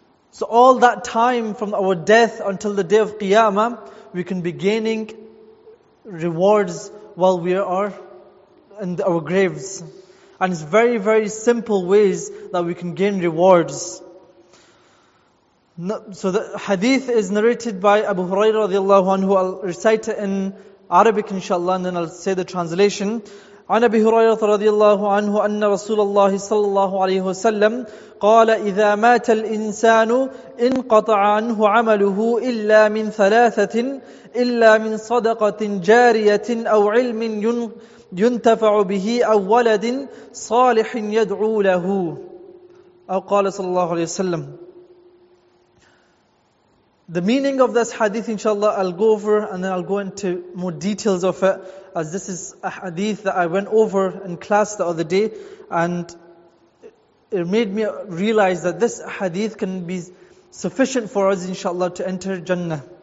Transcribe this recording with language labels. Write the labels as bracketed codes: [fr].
[en] So all that time from our death until the day of Qiyamah, we can be gaining rewards while we are in our graves. And it's very, very simple ways that we can gain rewards. So the hadith is narrated by Abu Hurairah radiallahu anhu. I'll recite it in Arabic inshallah, and then I'll say the translation. [ar] عن أبي هريرة رضي الله عنه أن رسول الله صلى الله عليه وسلم قال إذا مات الإنسان انقطع عنه عمله إلا من 3 إلا من صدقة جارية أو علم ينتفع به أو ولد صالح يدعو له أو قال صلى الله عليه وسلم. [en] The meaning of this hadith, inshallah, I'll go over, and then I'll go into more details of it, as this is a hadith that I went over in class the other day, and it made me realize that this hadith can be sufficient for us, inshallah, to enter Jannah.